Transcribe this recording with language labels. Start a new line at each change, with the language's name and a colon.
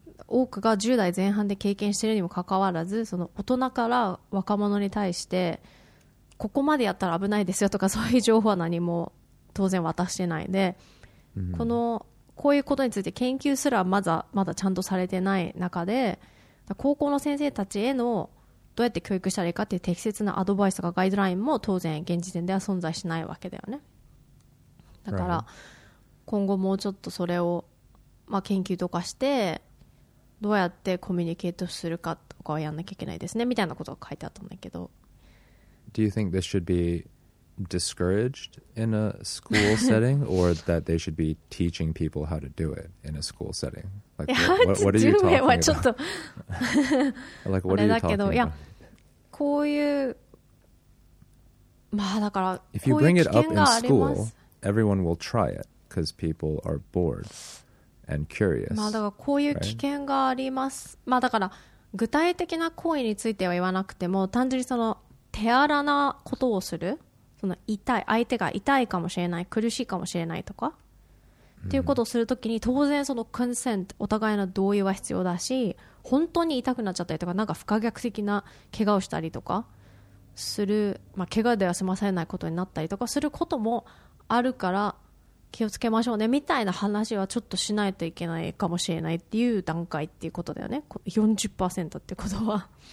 Japanese: 多くが10代前半で経験しているにもかかわらず、その大人から若者に対してここまでやったら危ないですよとかそういう情報は何も当然渡してないで、このこういうことについて研究すらまだちゃんとされてない中で、高校の先生たちへのどうやって教育したらいいかっていう適切なアドバイスとかガイドラインも当然現時点では存在しないわけだよね。だから今後もうちょっとそれを、まあ、研究とかしてどうやってコミュニケートするかとかはやんなきゃいけないですねみたいなことが書いてあったんだけど。
English: Do you think this should be discouraged in a school setting or that they should be teaching people how to do it in a school setting? Like, what are you talking about? Like, what are you talking about?
Japanese: あれだけど、いや、こういう、まあだから、
English: If you bring it up in school, everyone will try it because people are bored. And curious,
Japanese: まあだからこういう危険があります、right? まあだから具体的な行為については言わなくても単純にその手荒なことをするその痛い相手が痛いかもしれない苦しいかもしれないとか、mm-hmm. っていうことをするときに当然そのコンセントお互いの同意は必要だし本当に痛くなっちゃったりとかなんか不可逆的な怪我をしたりとかする、まあ、怪我では済まされないことになったりとかすることもあるから気をつけましょうねみたいな話はちょっとしないといけないかもしれないっていう段階っていうことだよね 40% ってことは、